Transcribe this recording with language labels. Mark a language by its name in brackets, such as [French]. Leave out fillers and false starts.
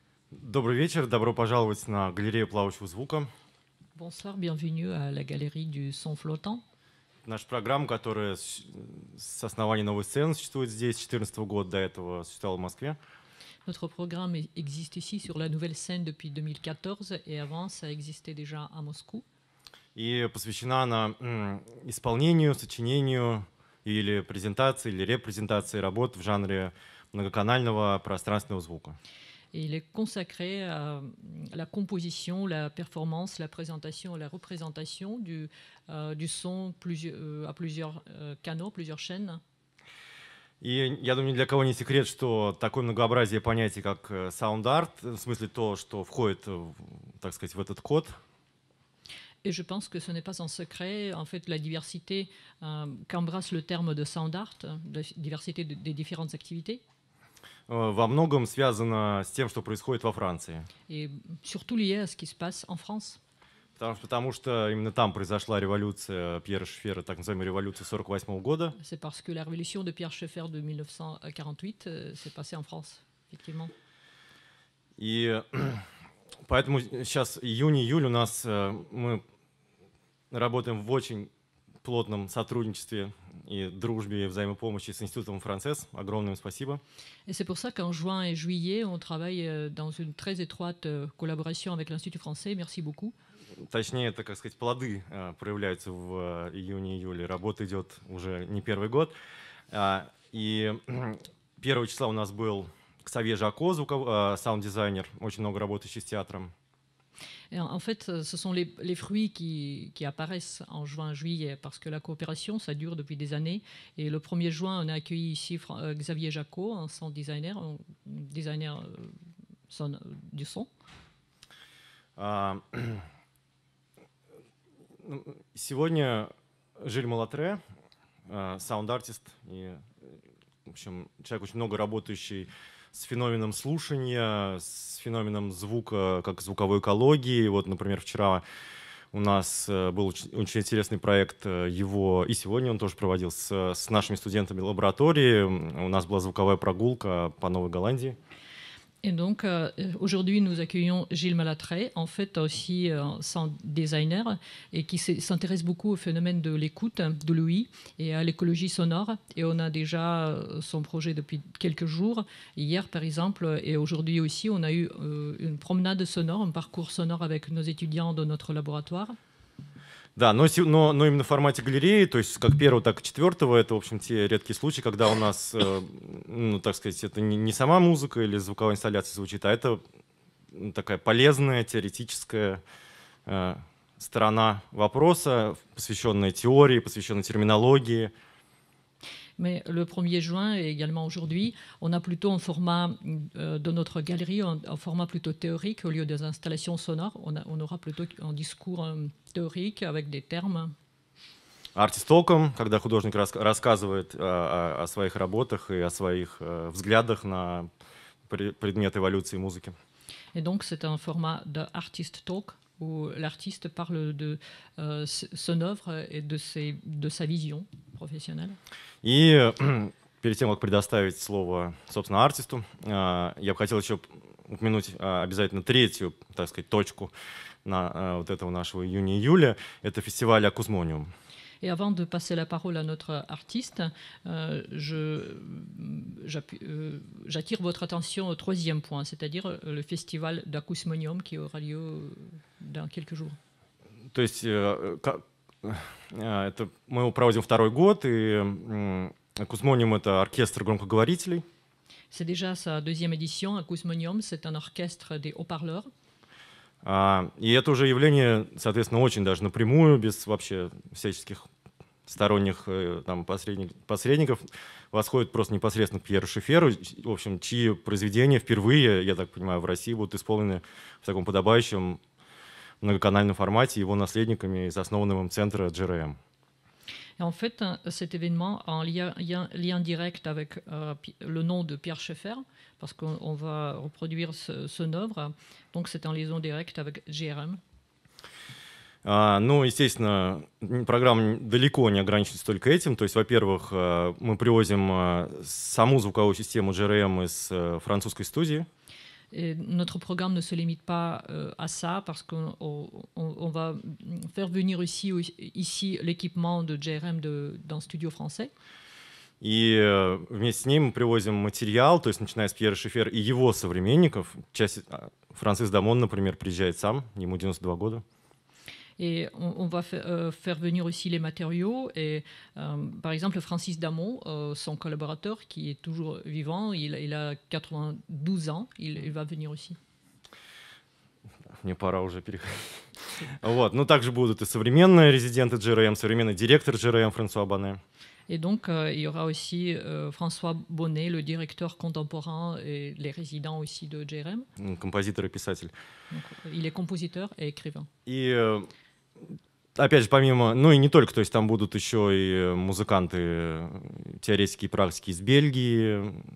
[Russian] Добрый вечер, добро пожаловать на галерею плавающего звука. [French] Bonsoir, bienvenue à la galerie du son flottant. [Russian] Наша программа, которая с основания Новой сцены существует здесь, с 2014 года до этого существовала в Москве. [French] Notre programme existe ici sur la Nouvelle Scène depuis 2014 et avant ça existait déjà à Moscou. [Russian] И посвящена она исполнению, сочинению или презентации или репрезентации работ в жанре многоканального пространственного звука. [French] Il est consacré à la composition, la performance, la présentation, la représentation du son à plusieurs canaux, plusieurs chaînes. [Russian] И я думаю, ни для кого не секрет, что такое многообразие понятий, как sound art, в смысле то, что входит, так сказать, в этот код. [French] Et je pense que ce n'est pas un secret, en fait, la diversité qu'embrasse le terme de sound art, la diversité des différentes activités. [Russian] Во многом связано с тем, что происходит во Франции. И [French] surtout lié à ce qui se passe en France. [Russian] Потому что именно там произошла революция Пьера Шефера, так называемая революция 48 года. [French] C'est parce que la révolution de Pierre Schaeffer de 1948 s'est passée en France, effectivement. [Russian] И поэтому сейчас июнь-июль у нас мы работаем в очень плотном сотрудничестве. И дружбе, и взаимопомощи с Институтом Францесс. Огромное спасибо. [French] Et c'est pour ça qu'en juin et juillet, on travaille dans une très étroite collaboration avec l'Institut Français. Merci beaucoup. [Russian] Точнее, это, как сказать, плоды проявляются в июне-июле. Работа идет уже не первый год. И первого числа у нас был Ксавье Жако, саунд-дизайнер, очень много работающий с театром. [French] Et en fait, ce sont les fruits qui apparaissent en juin, juillet, parce que la coopération, ça dure depuis des années. Et le 1er juin, on a accueilli ici Xavier Jaco, un sound designer, du son. [Russian] Сегодня Жиль Малатре, sound artist, и, в общем, человек очень много работающий с феноменом слушания, с феноменом звука, как звуковой экологии. Вот, например, вчера у нас был очень интересный проект его, и сегодня он тоже проводил с нашими студентами лаборатории. У нас была звуковая прогулка по Новой Голландии. [French] Et donc aujourd'hui nous accueillons Gilles Malatré, en fait aussi sound designer et qui s'intéresse beaucoup au phénomène de l'écoute, de l'ouïe et à l'écologie sonore. Et on a déjà son projet depuis quelques jours, hier par exemple, et aujourd'hui aussi on a eu une promenade sonore, un parcours sonore avec nos étudiants de notre laboratoire. [Russian] Да, но именно в формате галереи, то есть как первого, так и четвертого, это, в общем, те редкие случаи, когда у нас, ну, так сказать, это не сама музыка или звуковая инсталляция звучит, а это такая полезная теоретическая сторона вопроса, посвященная теории, посвященная терминологии. [French] Mais le 1er juin et également aujourd'hui, on a plutôt un format de notre galerie, un format plutôt théorique au lieu des installations sonores. On aura plutôt un discours théorique avec des termes. [Russian] Artistalkom, когда художник рассказывает о своих работах и о своих взглядах на предмет эволюции музыки. [French] Et donc c'est un format de artist talk où l'artiste parle de son œuvre et de sa vision professionnelle. [Russian] И перед тем, как предоставить слово, собственно, артисту, я бы хотел еще упомянуть обязательно третью, так сказать, точку на вот этого нашего июня-июля. Это фестиваль Акусмониум. [French] Et avant de passer la parole à notre artiste, j'attire votre attention au troisième point, c'est-à-dire le festival d'Acousmonium qui aura lieu dans quelques jours. [Russian] То есть, это мы его проводим второй год, и Acousmonium — это оркестр громкоговорителей. [French] C'est déjà sa deuxième édition. Acousmonium, c'est un orchestre des haut-parleurs. [Russian] И это уже явление, соответственно, очень даже напрямую, без вообще всяческих сторонних там, посредников, восходит просто непосредственно к Пьеру Шеферу, в общем, чьи произведения впервые, я так понимаю, в России будут исполнены в таком подобающем многоканальном формате его наследниками из основанного им центра GRM. [French] Et en fait, cet événement a un lien direct avec le nom de Pierre Schaeffer, parce qu'on va reproduire son œuvre. Donc, c'est en liaison directe avec GRM. [Russian] Ну, естественно, программа далеко не ограничивается только этим. То есть, во-первых, мы привозим саму звуковую систему GRM из французской студии. [French] Et notre programme ne se limite pas à ça, parce qu'on va faire venir ici l'équipement de JRM d'un studio français. [Russian] И вместе с ним мы привозим материал, то есть начиная с Пьера Шефера и его современников. Часть Франсис Дамон, например, приезжает сам, ему 92 года. И он [French] va faire venir aussi les matériaux. Et par exemple Francis Damon, son collaborateur, qui est toujours vivant, il a 92 ans, il va venir aussi. [Russian] Мне пора уже переходить. Вот, но также будут и современные резиденты JRM, современный директор JRM Франсуа Боне. [French] Et donc, il y aura aussi François Bonnet, le directeur contemporain et les résidents aussi de JRM. Compositeur et [Russian] писатель. [French] Il est compositeur et écrivain. Et, [Russian] опять же, помимо, ну и не только, то есть там будут еще и музыканты, теоретики и практики из Бельгии.